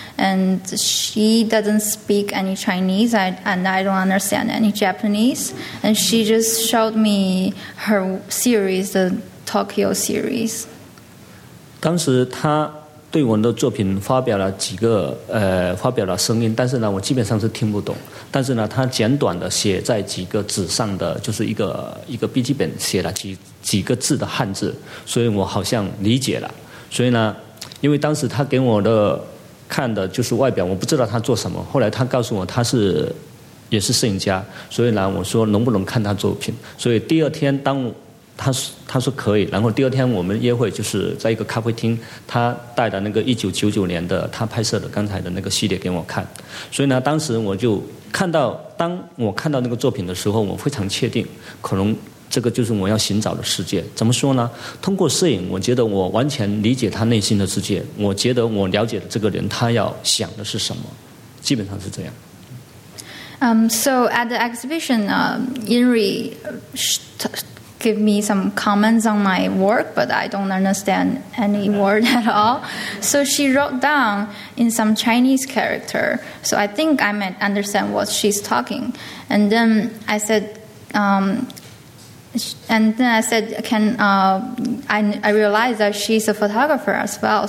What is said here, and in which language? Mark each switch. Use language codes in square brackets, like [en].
[en] And she doesn't speak any Chinese, and I don't understand any Japanese. And she just showed me her series, the Tokyo series. [zh] 当时她对我的作品发表了几个发表了声音，但是呢，我基本上是听不懂。但是呢他简短的写在几个纸上的就是一个笔记本写了几个字的汉字，所以我好像理解了。所以呢因为当时他给我的看的就是外表，我不知道他做什么，后来他告诉我他是也是摄影家，所以呢我说能不能看他作品。所以第二天当他说可以，然后第二天我们约会就是在一个咖啡厅，他带了那个1999年的他拍摄的刚才的那个系列给我看，所以呢，当时我就看到，当我看到那个作品的时候，我非常确定，可能这个就是我要寻找的世界。怎么说呢？通过摄影，我觉得我完全理解他内心的世界，我觉得我了解的这个人他要想的是什么，基本上是这样。 [en] So at the exhibition, Inri gave me some comments on my work, but I don't understand any word at all. So she wrote down in some Chinese character. So I think I might understand what she's talking. And then I said, can I realized that she's a photographer as well.